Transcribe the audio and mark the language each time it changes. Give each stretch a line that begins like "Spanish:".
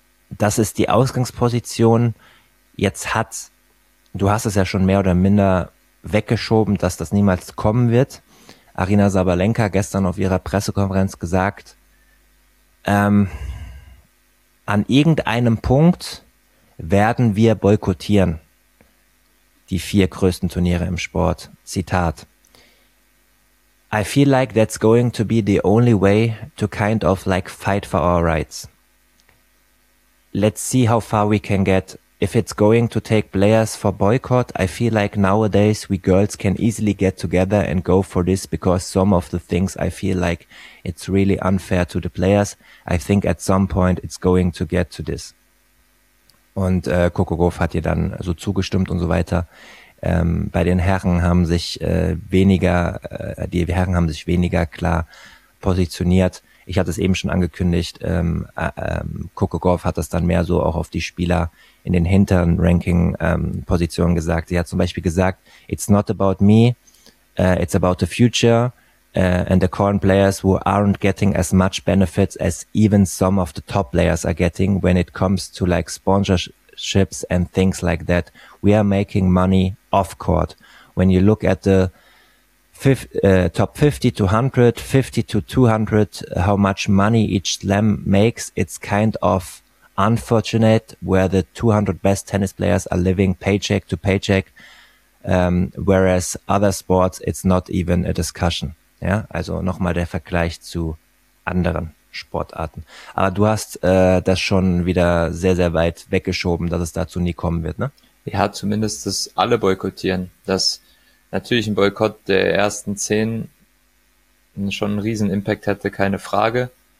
German: Das ist die Ausgangsposition. Du hast es ja schon mehr oder minder weggeschoben, dass das niemals kommen wird. Arina Sabalenka gestern auf ihrer Pressekonferenz gesagt, an irgendeinem Punkt werden wir boykottieren die 4 größten Turniere im Sport.
English: Zitat: I feel like that's going to be the only way to kind of like fight for our rights. Let's see how far we can get. If it's going to take players for boycott, I feel like nowadays we girls can easily get together and go for this because some of the things I feel like it's really unfair to the players. I think at some point it's going to get to this.
German: Und Coco Gauff hat ihr dann so zugestimmt und so weiter. Bei den Herren haben sich weniger klar positioniert. Ich hatte es eben schon angekündigt, Coco Gauff hat das dann mehr so auch auf die Spieler in den hinteren Ranking-Positionen gesagt. Sie hat zum Beispiel gesagt,
English: it's not about me, it's about the future and the current players who aren't getting as much benefits as even some of the top players are getting when it comes to like sponsorships and things like that. We are making money off court. When you look at the top 50 to 100, 50 to 200, how much money each slam makes, it's kind of unfortunate where the 200 best tennis players are living paycheck to paycheck, whereas other sports, it's not even a discussion.
German: Ja, also nochmal der Vergleich zu anderen Sportarten. Aber du hast das schon wieder sehr, sehr weit weggeschoben, dass es dazu nie kommen wird, ne? Ja, zumindest das alle boykottieren. Das natürlich ein Boykott der ersten 10 schon einen riesen Impact hätte, keine Frage.